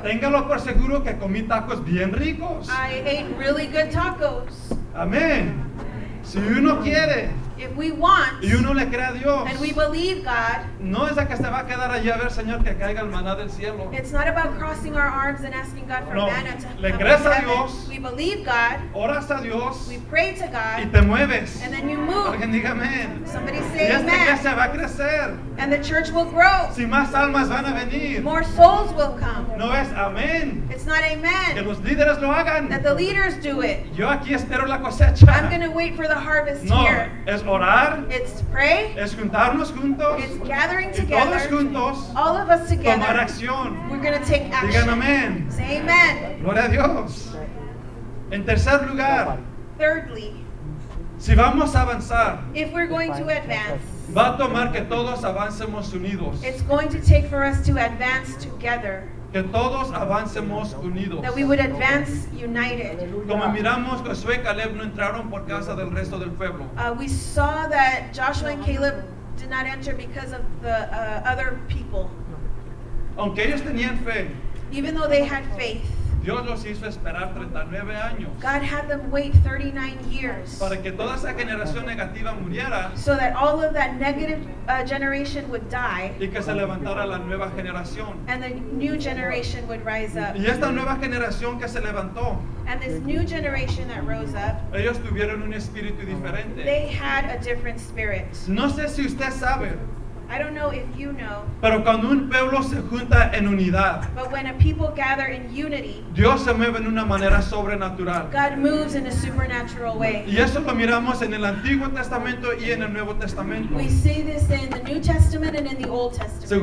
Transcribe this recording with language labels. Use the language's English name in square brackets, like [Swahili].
[Spanish] Téngalo por seguro que comí tacos bien ricos. [English] I ate really good tacos. [Spanish] Amén. Si uno quiere, [English] if we want, [Spanish] y uno le cree a Dios, [English] and we believe God, [Spanish] no es a que se va a quedar allí a ver, Señor, que caiga el maná del cielo. [English] It's not about crossing our arms and asking God for [Spanish] no [English] manna to [Spanish] le come crees a [English] heaven. [Spanish] Dios, [English] we believe God, [Spanish] oras a Dios, [English] we pray to God, [Spanish] y te mueves, [English] and then you move. [Spanish] Alguien diga amén. [English] Somebody say amen. [Spanish] Y este que se va a crecer, [English] and the church will grow. [Spanish] Si más almas van a venir, [English] more souls will come. [Spanish] No es amén. [English] It's not amen. [Spanish] Que los líderes lo hagan. [English] That the leaders do it. [Spanish] Yo aquí espero la cosecha. [English] I'm going to wait for the harvest [Spanish] no [English] here. [Spanish] Es orar, [English] it's pray. [Spanish] Es juntarnos juntos, [English] it's gathering together. [Spanish] Todos juntos, [English] all of us together. [Spanish] Tomar acción. [English] We're going to take action. [Spanish] Digan amén. [English] Say amen. [Spanish] Gloria a Dios. En tercer lugar. [English] Thirdly. [Spanish] Si vamos a avanzar. [English] If we're going to advance. [Spanish] Va a tomar que todos avancemos unidos. [English] It's going to take for us to advance together. [Spanish] Que todos avancemos unidos. [English] That we would advance united. [Spanish] Como miramos, Josué y Caleb no entraron por causa del resto del pueblo. [English] We saw that Joshua and Caleb did not enter because of the other people. [Spanish] Aunque ellos tenían fe. [English] Even though they had faith. [Spanish] Dios los hizo esperar 39 años. [English] God had them wait 39 years. [Spanish] Para que toda esa generación negativa muriera. [English] So that all of that negative generation would die. [Spanish] Y que se levantara la nueva generación. [English] And the new generation would rise up. [Spanish] Y esta nueva generación que se levantó. [English] And this new generation that rose up. [Spanish] Ellos tuvieron un espíritu diferente. [English] They had a different spirit. [Spanish] No sé si usted sabe. [English] I don't know if you know. [Spanish] Pero cuando un pueblo se junta en unidad, [English] but when a people gather in unity, [Spanish] Dios se mueve en una manera sobrenatural. [English] God moves in a supernatural way. [Spanish] Y eso lo miramos en el Antiguo Testamento y en el Nuevo Testamento. [English] We see this in the New Testament and in the Old Testament.